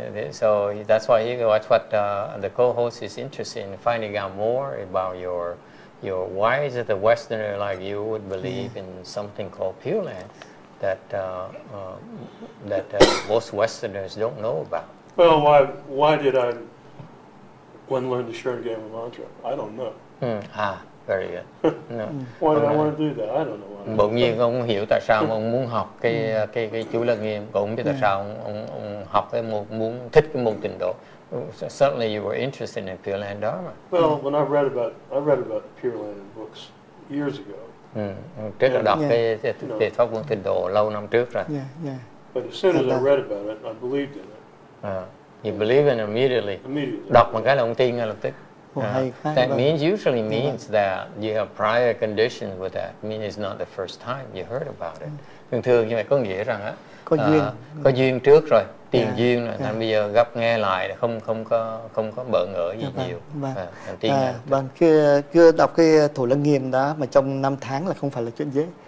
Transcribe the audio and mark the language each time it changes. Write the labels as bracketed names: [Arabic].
[English] So that's why that's what the co-host is interested in finding out more about your why is it the Westerner like you would believe in something called Pure Land that most Westerners don't know about. Well, why did I one learn the Sharingan mantra? I don't know. Very good. No. Why did I want to do that? I don't know. [Vietnamese] Bỗng nhiên ông hiểu tại sao ông muốn học cái chú lăng nghiêm, cũng không biết tại sao ông học cái môn, muốn thích cái môn tịnh độ. [English] So suddenly you were interested in Pure Land Dharma. Well, when I read about Pure Land in books years ago. [Vietnamese] Trước đó đọc cái pháp môn tịnh độ lâu năm trước rồi. [English] Yeah, yeah. But as soon as I read about it, I believed in it. You believe in it immediately. Immediately. [Vietnamese] Đọc một cái là ông tin ngay lập tức. [English] That means usually means that you have prior conditions with that. I mean, it's not the first time you heard about it. [Vietnamese] Thường thường như vậy có nghĩa rằng á, có duyên trước rồi, tiền duyên rồi. Nên bây giờ gặp nghe lại không có bỡ ngỡ gì nhiều. Bạn cứ đọc cái thủ lăng nghiêm đó mà trong 5 tháng là không phải là chuyện dễ.